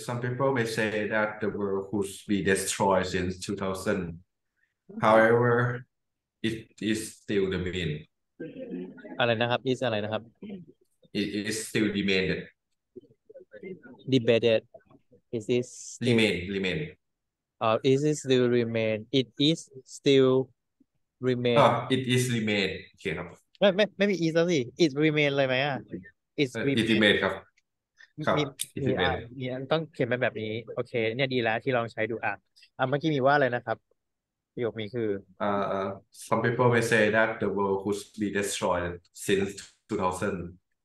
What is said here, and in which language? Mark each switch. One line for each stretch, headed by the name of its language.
English: Some people may say that the world could be destroyed since 2000. However, it is still the main.
Thai: อะไรนะครับ
English: is
Thai: อะไรนะครับ
English: It is still demanded. Debated. Is this still Remain, remain. Is it still remain? It is still remain. Ah, it is remain. Okay,
Thai: ครับ ไม่มี
English: is
Thai: แล้วสิ
English: it remain
Thai: เลยไหมอ่ะ it
English: it remain remain
Thai: ครับครับ มีอ่ะมีต้องเขียนเป็นแบบนี้โอเคเนี่ยดีแล้วที่ลองใช้ดูอ่ะ เมื่อกี้มีว่าอะไรนะครับประโยคนี้คือ
English: Some people may say that the world could be destroyed since 2000.